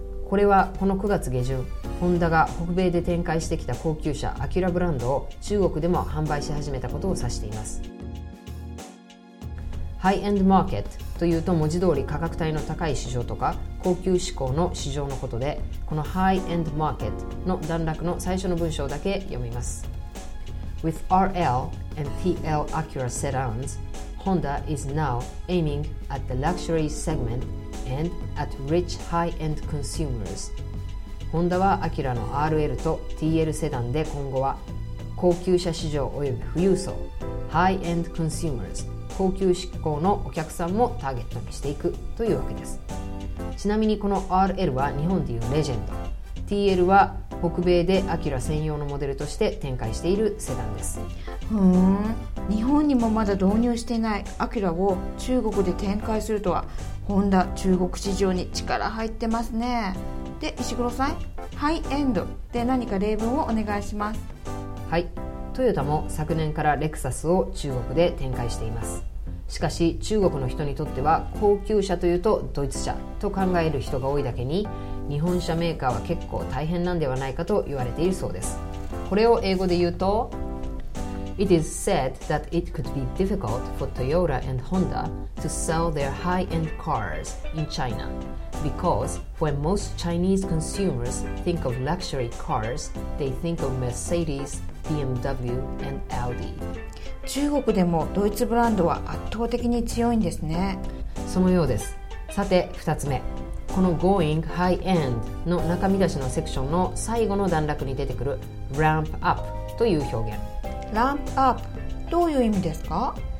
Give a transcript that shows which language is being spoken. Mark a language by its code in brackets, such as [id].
[ja] これはこの9月下旬、ホンダが北米で展開してきた高級車アキュラブランドを中国でも販売し始めたことを指しています。ハイエンドマーケットというと、文字通り価格帯の高い市場とか高級志向の市場のことで、このハイエンドマーケットの段落の最初の文章だけ読みます。 [en] With RL and PL Acura sedansHonda is now aiming at the luxury segment and at rich high-end consumers. [ja] Honda は Acura の RL と TL セダンで今後は高級車市場及び富裕層、 [en] high-end consumers、 [ja] 高級志向のお客さんもターゲットにしていくというわけです。ちなみにこの RL は日本でいうレジェンド、TL は北米でアキュラ専用のモデルとして展開しているセダンです。ふーん、日本にもまだ導入していないアキュラを中国で展開するとは、ホンダ中国市場に力入ってますね。で、石黒さん、ハイエンドで何か例文をお願いします。はい、トヨタも昨年からレクサスを中国で展開しています。しかし中国の人にとっては高級車というとドイツ車と考える人が多いだけに、日本車メーカーは結構大変なんではないかと言われているそうです。これを英語で言うと、 [en] It is said that it could be difficult for Toyota and Honda to sell their high-end cars in China because when most Chinese consumers think of luxury cars, they think of Mercedes, BMW and Audi。 [ja] 中国でもドイツブランドは圧倒的に強いんですね。そのようです。さて2つ目、この Going High End の中身出しのセクションの最後の段落に出てくる Ramp Up という表現。 Ramp Up、 どういう意味ですか？